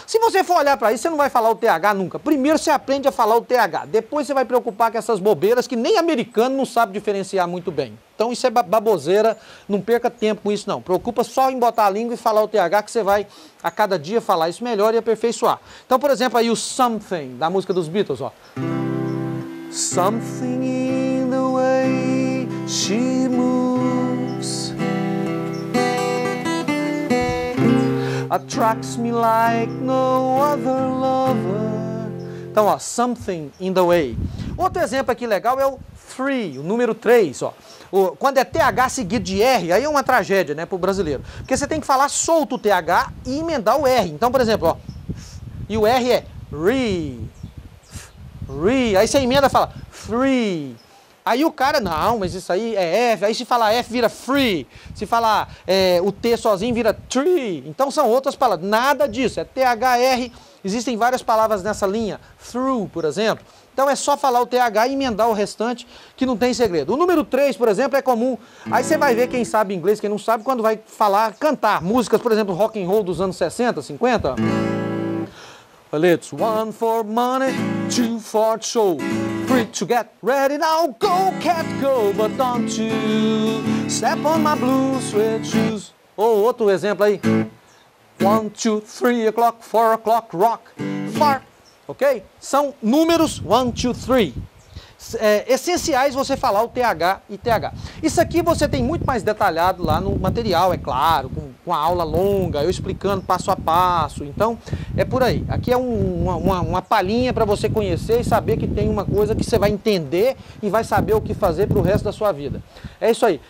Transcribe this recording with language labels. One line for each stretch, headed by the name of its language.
Portuguese: Se você for olhar para isso, você não vai falar o TH nunca. Primeiro você aprende a falar o TH, depois você vai preocupar com essas bobeiras que nem americano não sabe diferenciar muito bem. Então isso é baboseira, não perca tempo com isso não. Preocupa só em botar a língua e falar o TH, que você vai a cada dia falar isso melhor e aperfeiçoar. Então, por exemplo, aí o Something, da música dos Beatles, ó.
English: Something in the way she moves attracts me like no other lover.
Portuguese: Então, ó,
English: something in the way.
Portuguese: Outro exemplo aqui legal é o three, o número 3, ó. Quando é TH seguido de R, aí é uma tragédia, né, pro brasileiro. Porque você tem que falar solto o TH e emendar o R. Então, por exemplo, ó, e o R é re, re. Aí você emenda e fala three. Aí o cara, não, mas isso aí é F. Aí se falar F vira free. Se falar o T sozinho vira tree. Então são outras palavras. Nada disso. É THR. Existem várias palavras nessa linha. Through, por exemplo. Então é só falar o TH e emendar o restante, que não tem segredo. O número 3, por exemplo, é comum. Aí você vai ver quem sabe inglês, quem não sabe, quando vai falar, cantar músicas, por exemplo, rock and roll dos anos 60, 50.
English: It's one for money, two for show. Free to get ready now, go cat go, but don't you step on my blue suede shoes.
Portuguese: Ou outro exemplo aí.
English: One, two, three o'clock, four o'clock, rock, far.
Portuguese: Ok? São números,
English: one, two, three.
Portuguese: Essenciais você falar o TH e TH. Isso aqui você tem muito mais detalhado lá no material, é claro, com a aula longa, eu explicando passo a passo. Então, é por aí. Aqui é uma palhinha para você conhecer e saber que tem uma coisa que você vai entender e vai saber o que fazer para o resto da sua vida. É isso aí.